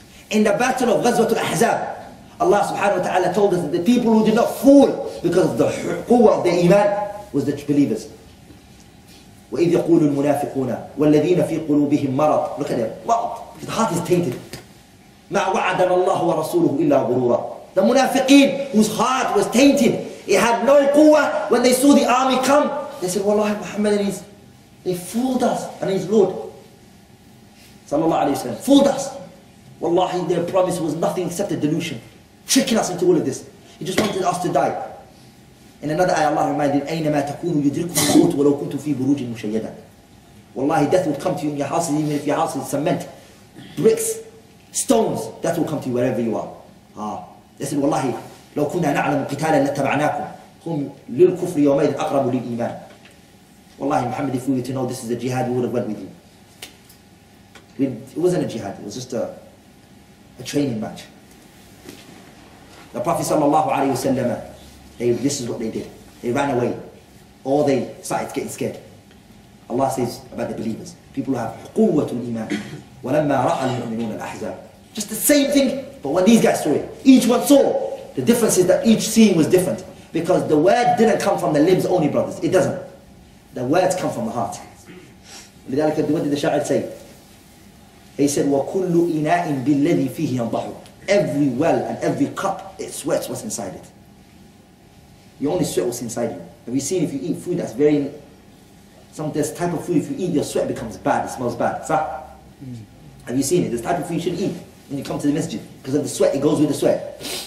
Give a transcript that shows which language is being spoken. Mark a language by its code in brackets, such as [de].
[en] In the battle of Ghazwatul Ahzab, Allah subhanahu wa ta'ala told us that the people who did not fall because of the quwwah of their iman was the believers. [ar] وَإِذْ يَقُولُ الْمُنَافِقُونَ وَالَّذِينَ فِي قُلُوبِهِمْ مَرَضٌ [en] Look at them. Marad. His heart is tainted. [ar] مَا وَعَدَنَ اللَّهُ وَرَسُولُهُ إِلَّا غُرُورًا [en] The munafiqeen, whose heart was tainted, it had no quwwah, when they saw the army come, they said, Wallahi Muhammad and they fooled us and his Lord. Sallallahu alayhi wa sallam, fooled us. Wallahi, their promise was nothing except a delusion, tricking us into all of this. He just wanted us to die. In another ayah, Allah reminded, [ar] أَيْنَمَا تَكُونُ يُدْرِكُمُ الْمَوْتُ وَلَوْ كُنْتُ فِي بُرُوجٍ مُشَيَّدًا [en] Wallahi, death would come to you in your houses, even if your house is cement, bricks, stones, that will come to you wherever you are. Ah. They said, [ar] Wallahi, لو كنا نعلم قتالا لاتبعناكم. هم للكفر يومئذ أقرب للإيمان. [en] Wallahi, Muhammad, if we were to know this is a jihad, we would have went with you. It wasn't a jihad, it was just a training match. The Prophet sallallahu alayhi wa sallam, this is what they did. They ran away. Or they started getting scared. Allah says about the believers, people who have quwwat al-iman. [ar] وَلَمَّا رَأَى الْمُؤْمِنُونَ الْأَحْزَابِ. [en] Just the same thing, but what these guys saw, each one saw. The difference is that each scene was different. Because the word didn't come from the lips only, brothers. It doesn't. The words come from the heart. لذلك, what did the Sha'ir say? He said, [ar] وَكُلُّ إِنَاءٍ بِالَّذِي فِيهِ يَنْضَحُ. [en] Every well and every cup, it sweats what's inside it. You only sweat what's inside you. Have you seen if you eat food that's very... Some this type of food, if you eat, your sweat becomes bad, it smells bad. صح? Have you seen it? This type of food you should eat when you come to the masjid. Because of the sweat, it goes with the sweat.